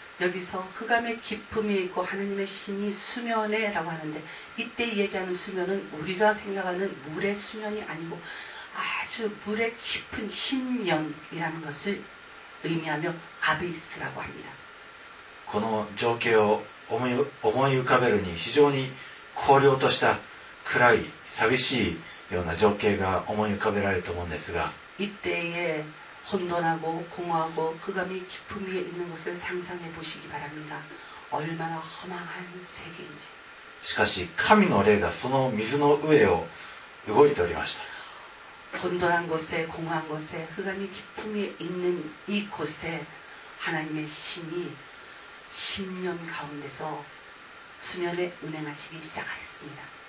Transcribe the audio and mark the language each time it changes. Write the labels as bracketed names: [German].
[Korean] 여기서흑암의깊음이있고하나님의신이수면에라고하는데이때얘기하는수면은우리가생각하는물의수면이아니고아주물의깊은심연이라는것을의미하며아비스라고합니다 [Japanese] この情景を思い浮かべるに非常に荒涼とした暗い寂しいような情景が思い浮かべられると思うんですが [Korean] 이때에혼돈하고공허하고흑암이깊음이있는것을상상해보시기바랍니다얼마나허망한세계인지 [Japanese] しかし神の霊がその水の上を動いておりました [Korean] 혼돈한곳에공허한곳에흑암이깊음이있는이곳에하나님의신이신년가운데서수면에운행하시기시작했습니다